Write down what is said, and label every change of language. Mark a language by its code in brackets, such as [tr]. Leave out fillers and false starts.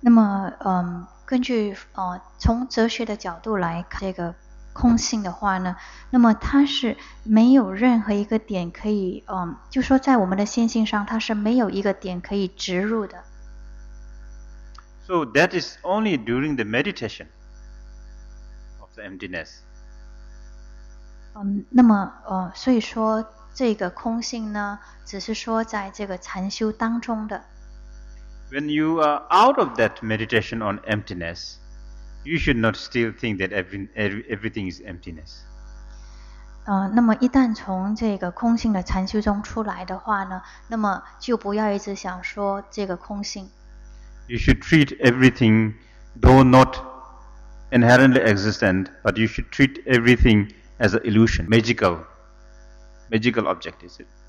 [zh] 那么，根据从哲学的角度来看这个空性的话呢，那么它是没有任何一个点可以，就说在我们的心性上，它是没有一个点可以植入的。 [en] So that is only during the meditation of the emptiness. [zh] 那么，所以说这个空性呢，只是说在这个禅修当中的。 [en] When you are out of that meditation on emptiness,You should not still think that everything is emptiness. [zh] 那么一旦从这个空性的禅修中出来的话呢，那么就不要一直想说这个空性。 [en] You should treat everything, though not inherently existent, but you should treat everything as an illusion, magical object, is it?